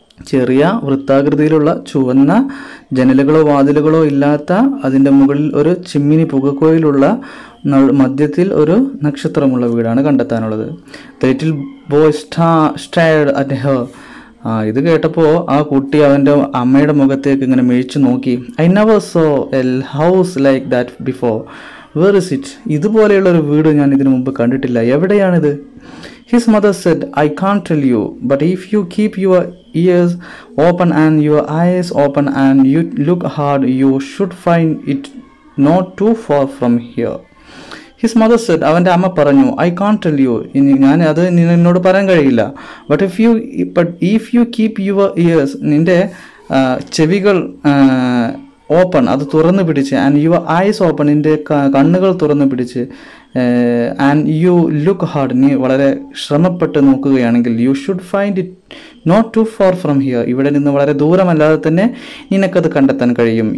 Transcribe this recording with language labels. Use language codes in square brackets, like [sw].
[ml] ചെറിയ വൃത്താകൃതിയിലുള്ള ചുവന്ന ജനലുകളോ വാതിലുകളോ ഇല്ലാത്ത, അതിൻ്റെ മുകളിൽ ഒരു ചിമ്മിനി പുകക്കോയിലുള്ള, മധ്യത്തിൽ ഒരു നക്ഷത്രമുള്ള വീടാണ് കണ്ടെത്താനുള്ളത്. [en] The little boy stared at her. [ml] ഇത് കേട്ടപ്പോൾ ആ കുട്ടി അവൻ്റെ അമ്മയുടെ മുഖത്തേക്ക് ഇങ്ങനെ മിഴിച്ചു നോക്കി. [en] I never saw a house like that before, where is it, [ml] ഇതുപോലെയുള്ള ഒരു വീട് ഞാൻ ഇതിനു മുമ്പ് കണ്ടിട്ടില്ല, എവിടെയാണിത്? [en] His mother said, I can't tell you, but if you keep your ears open and your eyes open and you look hard, you should find it not too far from here. His mother said, [ml] അവൻ്റെ അമ്മ പറഞ്ഞു, [en] I can't tell you, [ml] ഇനി ഞാൻ അത് നിന്നോട് പറയാൻ കഴിയില്ല. [en] but if you if you keep your ears, [ml] നിൻ്റെ ചെവികൾ [en] open, [ml] അത് തുറന്ന് പിടിച്ച്, [en] and your eyes open, [ml] നിൻ്റെ കണ്ണുകൾ തുറന്ന് പിടിച്ച്, [en] and you look hard, [ml] നീ വളരെ ശ്രമപ്പെട്ട് നോക്കുകയാണെങ്കിൽ, [en] you should find it not too far from here, [ml] ഇവിടെ നിന്ന് വളരെ ദൂരമല്ലാതെ തന്നെ നിനക്കത് കണ്ടെത്താൻ കഴിയും.